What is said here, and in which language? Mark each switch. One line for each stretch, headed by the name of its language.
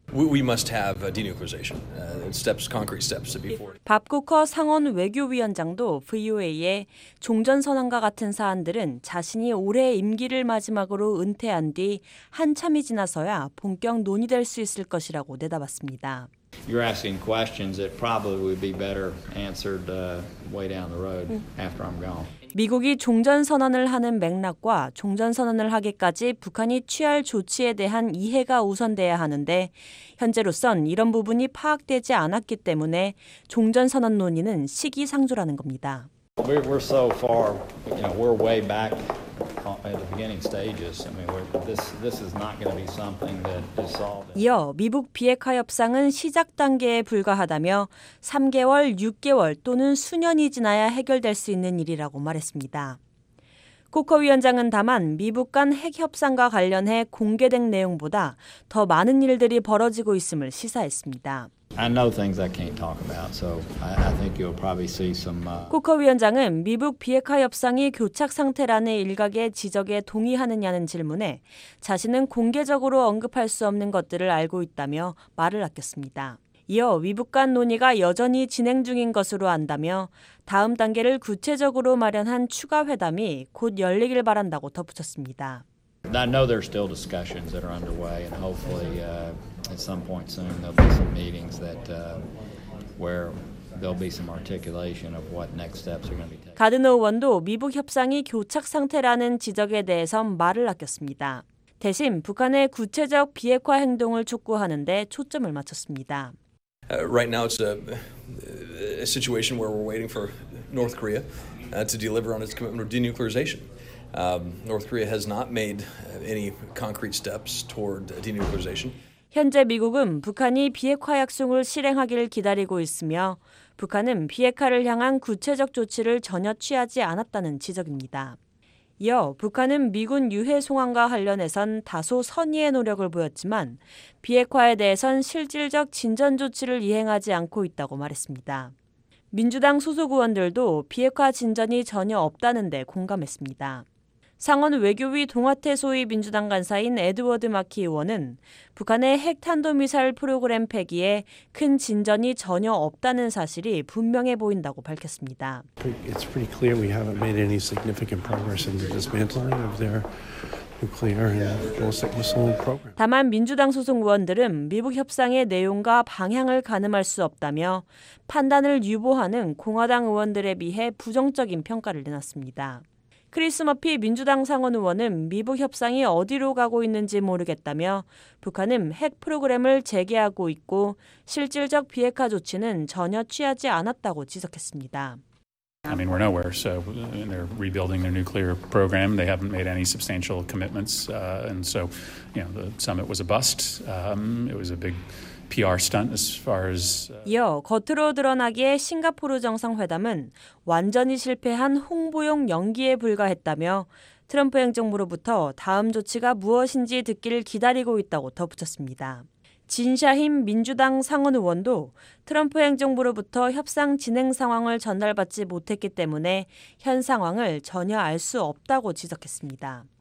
English: We must have a denuclearization. Steps, concrete steps before.
Korean: 밥 쿠커 상원 외교위원장도 VOA에 종전선언과 같은 사안들은 자신이 올해 임기를 마지막으로 은퇴한 뒤 한참이 지나서야 본격 논의될 수 있을 것이라고 내다봤습니다.
English: You're asking questions that probably would be better answered way down the road after I'm gone.
Korean: 미국이 종전선언을 하는 맥락과 종전선언을 하기까지 북한이 취할 조치에 대한 이해가 우선돼야 하는데 현재로선 이런 부분이 파악되지 않았기 때문에 종전선언 논의는 시기상조라는 겁니다.
English: We're so far, you know, we're way back at the beginning stages. I mean, this is not going to be something that is solved.
Korean: 이어 미북 비핵화 협상은 시작 단계에 불과하다며 3개월, 6개월 또는 수년이 지나야 해결될 수 있는 일이라고 말했습니다. 코커 위원장은 다만 미북 간 핵 협상과 관련해 공개된 내용보다 더 많은 일들이 벌어지고 있음을 시사했습니다.
English: I know things I can't talk about, so I think you'll probably see some.
Korean: 코커 위원장은 미북 비핵화 협상이 교착 상태라는 일각의 지적에 동의하느냐는 질문에 자신은 공개적으로 언급할 수 없는 것들을 알고 있다며 말을 아꼈습니다. 이어 미북 간 논의가 여전히 진행 중인 것으로 안다며 다음 단계를 구체적으로 마련한 추가 회담이 곧 열리길 바란다고 덧붙였습니다.
English: I know there are still discussions that are underway, and hopefully at some point soon there'll be some meetings that where there'll be some articulation of what next steps are going to be taken.
Korean: 가드너 의원도 미북 협상이 교착 상태라는 지적에 대해선 말을 아꼈습니다. 대신 북한의 구체적 비핵화 행동을 촉구하는 데 초점을 맞췄습니다.
English: Right now it's a situation where we're waiting for North Korea to deliver on its commitment of denuclearization. North Korea has not made any concrete steps toward denuclearization.
Korean: 현재 미국은 북한이 비핵화 약속을 실행하기를 기다리고 있으며 북한은 비핵화를 향한 구체적 조치를 전혀 취하지 않았다는 지적입니다. 이어 북한은 미군 유해 송환과 관련해선 다소 선의의 노력을 보였지만 비핵화에 대해선 실질적 진전 조치를 이행하지 않고 있다고 말했습니다. 민주당 소속 의원들도 비핵화 진전이 전혀 없다는 데 공감했습니다. 상원 외교위 동아태 소위 민주당 간사인 에드워드 마키 의원은 북한의 핵탄도미사일 프로그램 폐기에 큰 진전이 전혀 없다는 사실이 분명해 보인다고 밝혔습니다.
English: It's pretty clear we haven't made any significant progress in the dismantling of their nuclear and ballistic missile program.
Korean: 다만 민주당 소속 의원들은 미북 협상의 내용과 방향을 가늠할 수 없다며 판단을 유보하는 공화당 의원들에 비해 부정적인 평가를 내놨습니다. 크리스 머피 민주당 상원 의원은 미북 협상이 어디로 가고 있는지 모르겠다며 북한은 핵 프로그램을 재개하고 있고 실질적 비핵화 조치는 전혀 취하지 않았다고 지적했습니다.
English: I mean, we're nowhere. So they're rebuilding their nuclear program. They haven't made any substantial commitments, and so, you know, the summit was a bust. It was a big PR stunt as far as.
Korean: 이어 겉으로 드러나기에 싱가포르 정상회담은 완전히 실패한 홍보용 연기에 불과했다며 트럼프 행정부로부터 다음 조치가 무엇인지 듣기를 기다리고 있다고 덧붙였습니다. 진 샤힘 민주당 상원 의원도 트럼프 행정부로부터 협상 진행 상황을 전달받지 못했기 때문에 현 상황을 전혀 알 수 없다고 지적했습니다.